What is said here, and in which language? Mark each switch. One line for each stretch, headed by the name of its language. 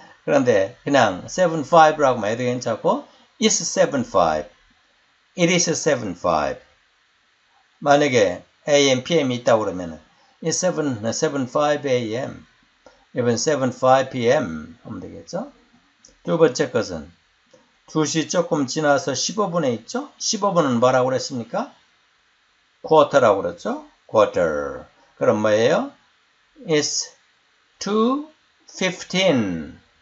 Korean: 그런데 그냥 7:05라고만 해도 괜찮고,
English: it's 7:05. It is 7:05.
Korean: 만약에 AM, PM 있다 그러면
English: it's 7:05 AM.
Korean: 이번 7:05 PM 하면 되겠죠? 두 번째 것은 2시 조금 지나서 15분에 있죠? 15분은 뭐라고 그랬습니까? quarter라고 그랬죠?
English: quarter.
Korean: 그럼 뭐예요?
English: it's 2:15.